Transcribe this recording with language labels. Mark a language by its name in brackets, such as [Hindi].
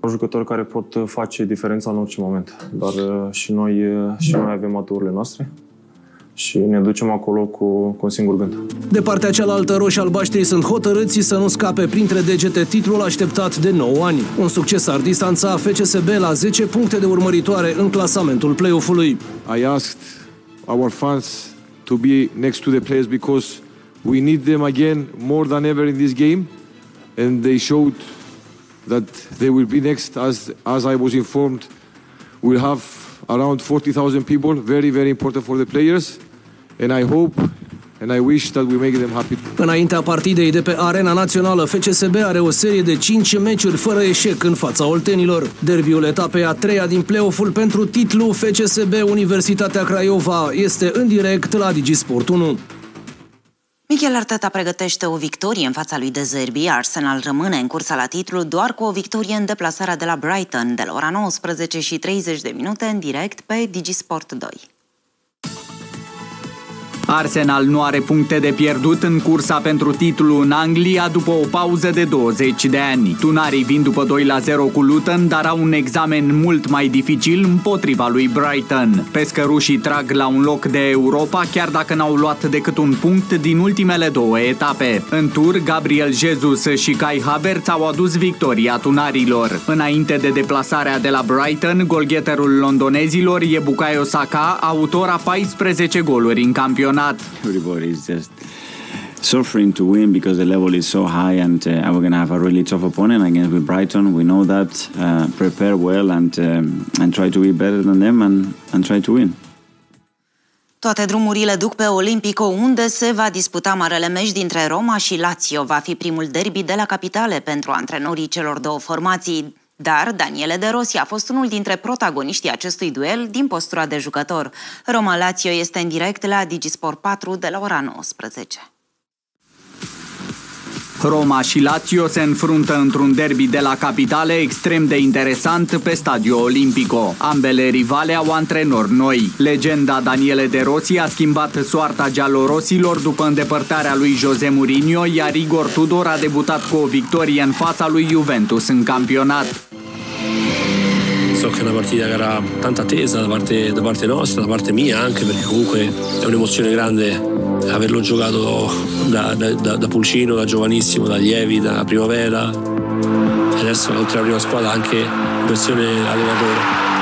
[Romanian] Jucători care pot face diferența în orice moment. Dar și noi avem maturile noastre și ne ducem acolo cu un singur gând. De partea cealaltă, roșialbaștrii sunt hotărâți să nu scape printre degete titlul așteptat de 9 ani. Un succes ar distanța FCSB la 10 puncte de urmăritoare în clasamentul play-off-ului. [English] I asked our fans to be next to the players because we need them again more than ever in this game, and they showed that they will be next. As I was informed, we'll have around 40,000 people, very, very important for the players, and I hope and I wish that we make them happy. [Romanian] Înaintea partidei de pe Arena Națională, FCSB are o serie de 5 meciuri fără eșec în fața oltenilor. Derbiul etapei a treia din play-off-ul pentru titlu FCSB Universitatea Craiova este în direct la DigiSport 1. Mikel Arteta pregătește o victorie în fața lui De Zerbi. Arsenal rămâne în cursa la titlu doar cu o victorie în deplasarea de la Brighton, de la ora 19:30 în direct pe DigiSport 2. Arsenal nu are puncte de pierdut în cursa pentru titlu în Anglia după o pauză de 20 de ani. Tunarii vin după 2-0 cu Luton, dar au un examen mult mai dificil împotriva lui Brighton. Pescărușii trag la un loc de Europa, chiar dacă n-au luat decât un punct din ultimele două etape. În tur, Gabriel Jesus și Kai Havertz au adus victoria tunarilor. Înainte de deplasarea de la Brighton, golgheterul londonezilor e Bukayo Saka, autor a 14 goluri în campionat. [English] Everybody is just suffering to win because the level is so high, and we're going to have a really tough opponent against with Brighton. We know that. Prepare well and try to be better than them and try to win. [Romanian] Toate drumurile duc pe Olimpico, unde se va disputa marele meci dintre Roma și Lazio. Va fi primul derby de la capitale pentru antrenorii celor două formații. Dar Daniele De Rossi a fost unul dintre protagoniștii acestui duel din postura de jucător. Roma-Lazio este în direct la Digisport 4 de la ora 19. Roma și Lazio se înfruntă într-un derby de la capitale extrem de interesant pe Stadio Olimpico. Ambele rivale au antrenori noi. Legenda Daniele De Rossi a schimbat soarta gialorosilor după îndepărtarea lui Jose Mourinho, iar Igor Tudor a debutat cu o victorie în fața lui Juventus în campionat. [Italian] So che è una partita che era tanta attesa da parte nostra, da parte mia anche, perché comunque è un'emozione grande averlo giocato da pulcino, da giovanissimo, da lievi, da primavera. E adesso oltre alla prima squadra anche in versione allenatore.